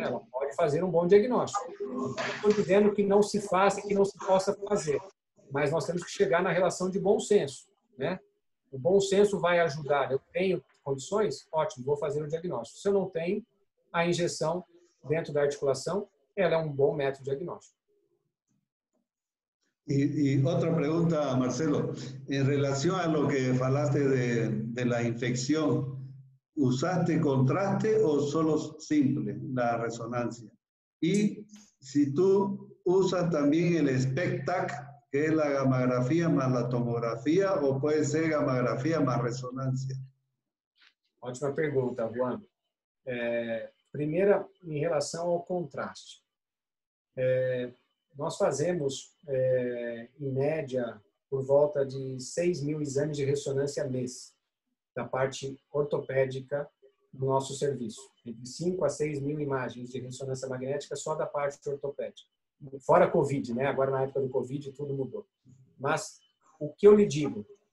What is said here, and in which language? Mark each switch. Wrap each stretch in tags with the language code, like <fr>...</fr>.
<pt>Ela pode fazer um bom diagnóstico. Não estou dizendo que não se faça, que não se possa fazer, mas nós temos que chegar na relação de bom senso, né? O bom senso vai ajudar. Eu tenho condições? Ótimo, vou fazer o diagnóstico. Se eu não tenho, a injeção dentro da articulação, ela é um bom método diagnóstico.</pt> <es>Y otra pregunta, Marcelo, en relación a lo que falaste de la infección, ¿usaste contraste o solo simple, la resonancia? Y si tú usas también el SPECTAC, que es la gammagrafía más la tomografía, o puede ser gammagrafía más resonancia. Ótima pregunta, Juan. Primera, en relación al contraste.</es> <pt>Nós fazemos, em média, por volta de 6 mil exames de ressonância mês da parte ortopédica do nosso serviço. De 5 a 6 mil imagens de ressonância magnética só da parte ortopédica. Fora Covid, né? Agora na época do Covid tudo mudou. Mas o que eu lhe digo?</pt>